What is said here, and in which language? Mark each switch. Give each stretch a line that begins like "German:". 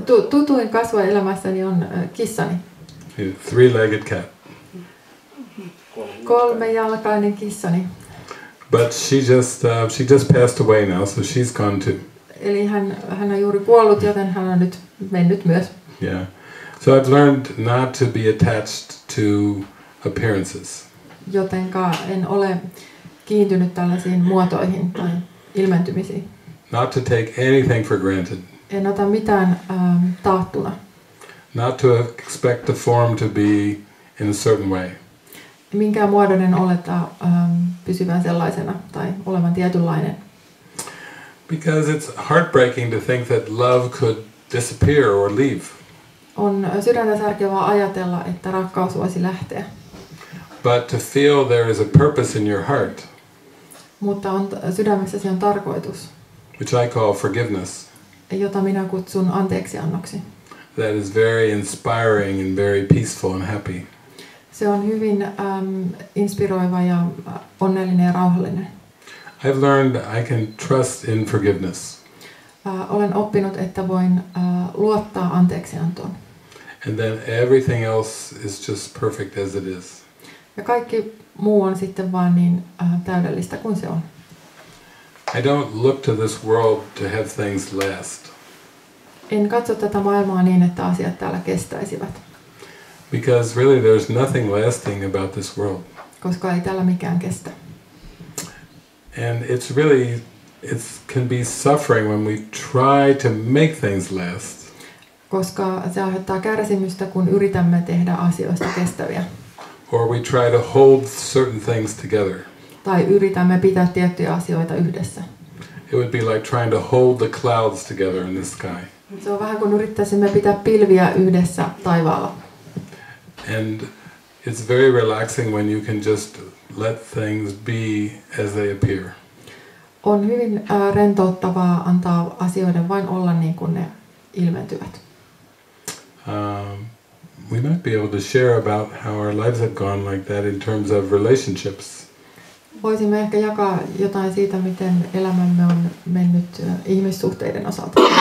Finnish: Tutuin kasvo elämässäni on kissani.
English: Three-legged cat.
Finnish: Kolmejalkainen kissani.
English: But she just passed away now, so she's gone too.
Finnish: Eli hän on juuri kuollut, joten hän on nyt mennyt myös.
English: Yeah. So I've learned not to be attached to appearances.
Finnish: Jotenka en ole kiintynyt tällaisiin muotoihin tai ilmentymisiin.
English: Not to take anything for granted.
Finnish: En ota mitään taattuna.
English: Not to expect a form to be in a certain way.
Finnish: Minkään muodon en oleta pysyvän sellaisena tai olevan tietynlainen.
English: Because it's heartbreaking to think that love could disappear or leave.
Finnish: On sydäntä särkevää ajatella, että rakkaus voisi lähteä.
English: But to feel there is a purpose in your heart.
Finnish: Mutta on sydämessäsi on tarkoitus.
English: Which I call forgiveness.
Finnish: Jota minä kutsun anteeksiannoksi.
English: That is very inspiring and very peaceful and happy.
Finnish: Se on hyvin inspiroiva ja onnellinen ja rauhallinen.
English: I've learned I can trust in forgiveness.
Finnish: Olen oppinut, että voin luottaa anteeksiantoon.
English: And then everything else is just perfect as it is.
Finnish: Ja kaikki muu on sitten vaan niin täydellistä kuin se on.
English: I don't look to this world to have things last.
Finnish: En katso tätä maailmaa niin, että asiat täällä kestäisivät.
English: Because really there's nothing lasting about this world.
Finnish: Koska ei täällä mikään kestä.
English: And it's really, it can be suffering when we try to make things last.
Finnish: Koska se aiheuttaa kärsimystä, kun yritämme tehdä asioista kestäviä.
English: Or we try to hold certain things together.
Finnish: Tai yritämme pitää tiettyjä asioita yhdessä.
English: It would be like trying to hold the clouds together in the sky.
Finnish: Se on vähän kuin yrittäisimme pitää pilviä yhdessä taivaalla.
English: And it's very relaxing when you can just let things be as they appear.
Finnish: On hyvin rentouttavaa antaa asioiden vain olla niin kuin ne ilmentyvät.
English: We might be able to share about how our lives have gone like that in terms of relationships.
Finnish: Voisimme ehkä jakaa jotain siitä, miten elämämme on mennyt ihmissuhteiden osalta.